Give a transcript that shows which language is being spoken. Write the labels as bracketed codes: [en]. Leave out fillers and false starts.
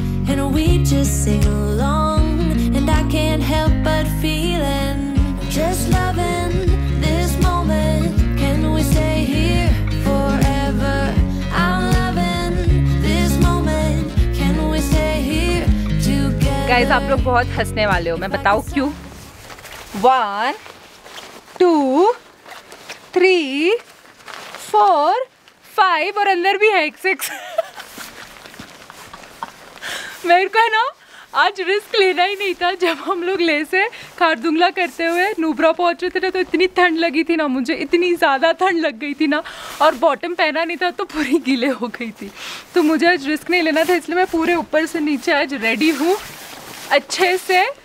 [en] And we just sing along. And I can't help but feel it. Just loving this moment. Can we stay here forever? I'm loving this moment. Can we stay here together? [hi] Guys, आप लोग बहुत हंसने वाले हो, मैं बताऊँ क्यों? [en] One, two, three, four, five [hi] और अंदर भी है एक [en] six. [hi] मेरे को है ना आज रिस्क लेना ही नहीं था। जब हम लोग ले से खारदुंगला करते हुए नूबरा पहुँच रहे थे ना, तो इतनी ठंड लगी थी ना मुझे, इतनी ज़्यादा ठंड लग गई थी ना, और बॉटम पहना नहीं था तो पूरी गीले हो गई थी। तो मुझे आज रिस्क नहीं लेना था, इसलिए मैं पूरे ऊपर से नीचे आज रेडी हूँ अच्छे से।